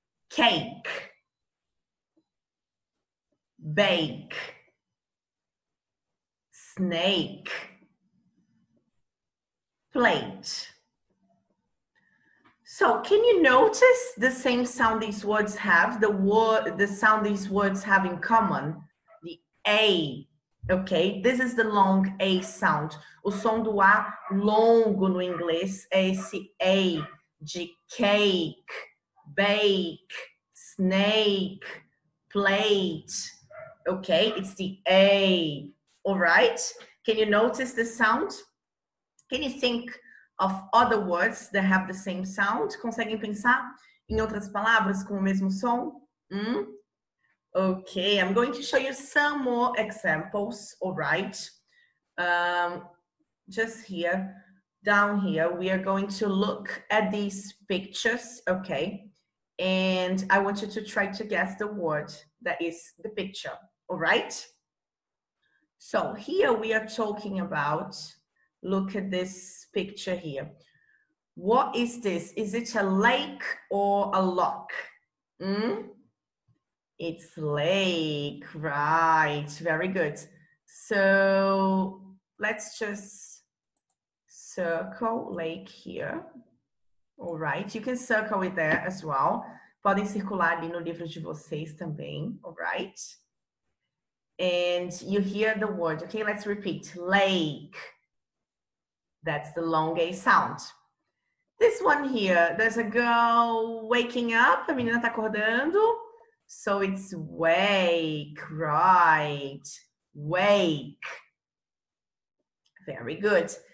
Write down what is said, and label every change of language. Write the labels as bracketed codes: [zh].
[en] Cake, bake, snake, plate. So can you notice the same sound these words have, the sound these words have in common, the A? Okay, this is the long A sound. [pt] O som do A longo no inglês é esse A de [en] cake, bake, snake, plate. Okay, it's the A. All right, can you notice the sound? Can you think of other words that have the same sound? [pt] Conseguem pensar em outras palavras com o mesmo som? [en] Okay, I'm going to show you some more examples, all right? Just here, down here, we are going to look at these pictures, okay? And I want you to try to guess the word that is the picture, all right? So here we are talking about, look at this picture here. What is this? Is it a lake or a lock? It's lake, right, very good. So let's just circle lake here. All right, you can circle it there as well. [pt] Podem circular ali no livro de vocês também, [en] all right? And you hear the word, okay, let's repeat, lake. That's the long A sound. This one here, there's a girl waking up, [pt] a menina tá acordando. [en] So it's wake, right, wake. Very good.